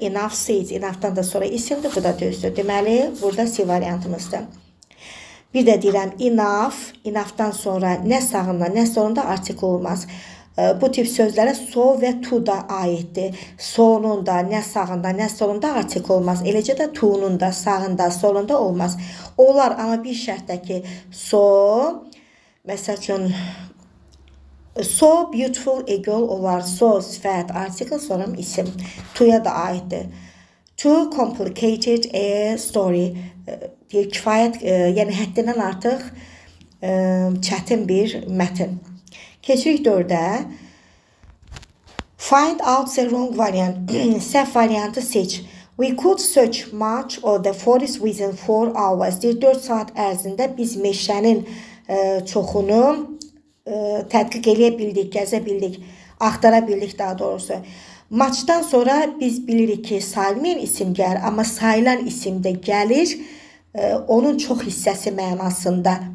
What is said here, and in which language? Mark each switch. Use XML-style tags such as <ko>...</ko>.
<en>Enough seat,</en> <az>enough'dan da sonra isimdir, bu da düzdür. Deməli, burada C variantımızdır. Bir də deyirəm, enough, enough'dan sonra nə sağında, nə sonunda artikl olmaz. Bu tip sözlərə so və to da aiddir. So'nun da, nə sağında, nə solunda artikl olmaz. Eləcə də to'nun da, sağında, solunda olmaz. Olar, amma bir şərtdə ki, so, məsəl üçün,</az> <en>so beautiful a girl</en> <az>olar. So, sifət, artikl, sonra isim. To'ya da aiddir.</az> <en>Too complicated a story.</en> <az>Deyir, kifayət, yəni həddindən artıq çətin bir mətn. Keçirik 4-də.</az> <en>Find out the wrong variant.</en> <az>Səhv variantı seç.</az> <en>We could search much of the forest within 4 hours.</en> <az>4 saat ərzində biz meşənin çoxunu tədqiq edə bildik, gəzə bildik, axtara bildik daha doğrusu. Maçdan sonra biz bilirik ki, sayılmayan isim gəlir, amma sayılan isim də gəlir onun çox hissəsi mənasında.</az>